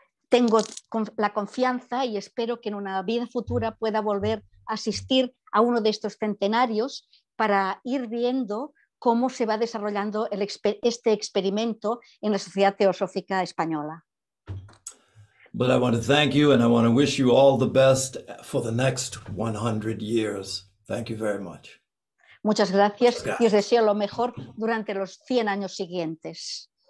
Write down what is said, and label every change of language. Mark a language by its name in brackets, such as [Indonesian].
[Spanish] Tengo la confianza y espero que en una vida futura pueda volver a asistir a uno de estos centenarios para ir viendo cómo se va desarrollando este experimento en la Sociedad Teosófica Española. [English] But I want to thank you and I want to wish you all the best for the next 100 years. Thank you very much. [Spanish] Muchas gracias. Y os deseo lo mejor durante los 100 años siguientes.